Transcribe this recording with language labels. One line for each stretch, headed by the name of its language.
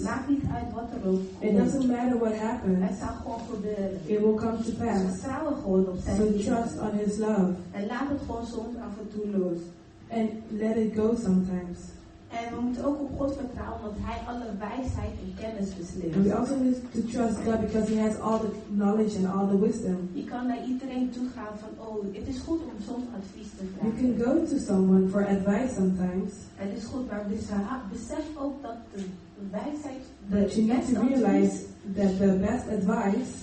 Dutch: Maakt niet uit wat er ook komt.
English: It doesn't matter what happens.
Dutch: Het zal gewoon gebeuren.
English: It will come to pass.
Dutch: Vertrouw gewoon op zijn liefde.
English: So trust on his love.
Dutch: En laat het gewoon soms af en toe los.
English: and let it go sometimes.
Dutch: En we moeten ook op God vertrouwen, want Hij alle wijsheid en kennis beslist.
English: We also need to trust God because He has all the knowledge and all the wisdom.
Dutch: Je kan naar iedereen toe gaan van, oh, het is goed om soms advies te vragen.
English: You can go to someone for advice sometimes.
Dutch: En het is goed, maar besef ook dat de wijsheid,
English: but you need to realize that the best advice